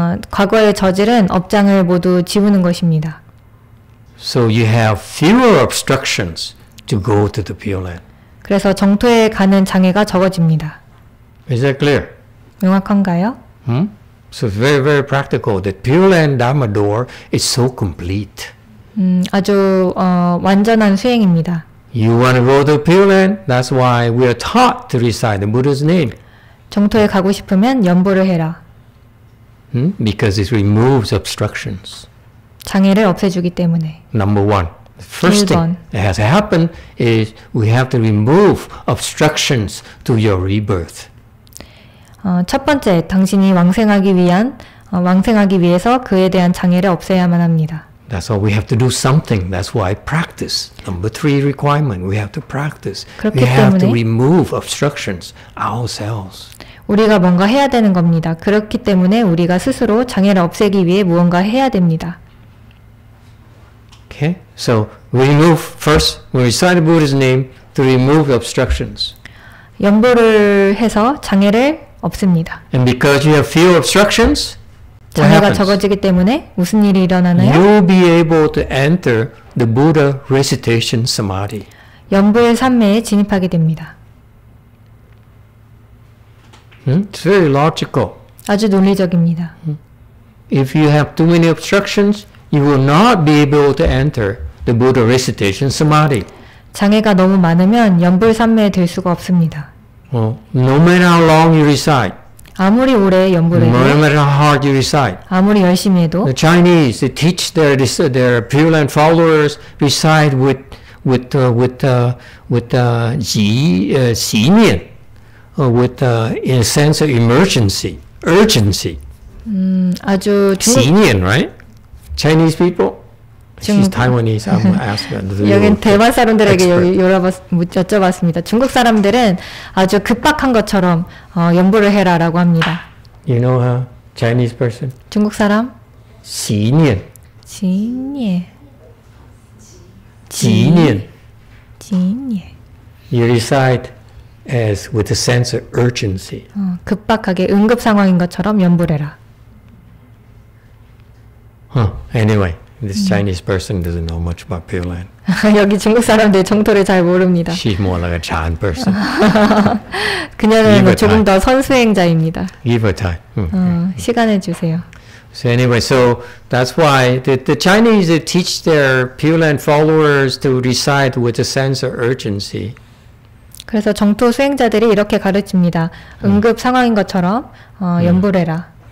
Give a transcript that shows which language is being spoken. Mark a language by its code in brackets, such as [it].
[ko] 과거의 저질은 업장을 모두 지우는 것입니다. [en] So you have fewer obstructions to go to the Pure Land. [ko] 그래서 정토에 가는 장애가 적어집니다. [en] Is that clear? [ko] 명확한가요? [en] So very, very practical. The Pure Land Dharma door is so complete. [ko] 아주 완전한 수행입니다. [en] You want to go to Pure Land? That's why we are taught to recite the Buddha's name. [ko] 정토에 가고 싶으면 염불을 해라. [en] Because it removes obstructions. [ko] 장애를 없애주기 때문에. [en] Number one. The first thing that has happened is we have to remove obstructions to your rebirth. [ko] 첫 번째, 당신이 왕생하기 위한 왕생하기 위해서 그에 대한 장애를 없애야만 합니다. [en] That's why we have to do something. That's why practice. Number three requirement, we have to practice. [ko] 그렇기 [en] we [ko] 때문에 [en] have to remove obstructions ourselves. [ko] 우리가 뭔가 해야 되는 겁니다. 그렇기 때문에 우리가 스스로 장애를 없애기 위해 무언가 해야 됩니다. [en] Okay, so we remove first, we recite Buddha's name to remove obstructions. [ko] 염불을 해서 장애를 없습니다. [en] And because you have few obstructions, [ko] 장애가 [en] happens? [ko] 적어지기 때문에 무슨 일이 일어나나요? [en] You'll be able to enter the Buddha recitation samadhi. [ko] 염불 삼매에 진입하게 됩니다. [en] It's very logical. [ko] 아주 논리적입니다. [en] If you have too many obstructions, you will not be able to enter the Buddha recitation samadhi. [ko] 장애가 너무 많으면 염불 삼매에 들 수가 없습니다. [en] No matter how long you recite, [ko] 아무리 오래 염불을 해도, [en] no matter how hard you recite, [ko] 아무리 열심히 해도, [en] the Chinese they teach their Pure Land followers recite with a sense of emergency, urgency. [ko] 아주 [en] Senior, right? Chinese people? She's Taiwanese. I'm asking. [ko] 여긴 대만 사람들에게 여쭤봤습니다. 중국 사람들은 아주 급박한 것처럼 연보를 해라라고 합니다. [en] You know her, Chinese person? [ko] 중국 사람? [zh] 지니엔. 지니엔. 지니엔. 지니엔. [en] You recite as with a sense of urgency. [ko] 급박하게 응급 상황인 것처럼 연보해라. [en] Anyway. This Chinese person doesn't know much about Pure Land. [ko] 여기 중국 사람들 정토를 잘 모릅니다. [en] She's more like a Chan person. [ko] 그녀는 뭐 조금 더 선수행자입니다. [en] Give her time. [ko] 시간을 주세요. [en] So anyway, so that's why the Chinese teach their Pure Land followers to recite with a sense of urgency. [ko] 그래서 정토 수행자들이 이렇게 가르칩니다. 응급 상황인 것처럼 연불해라.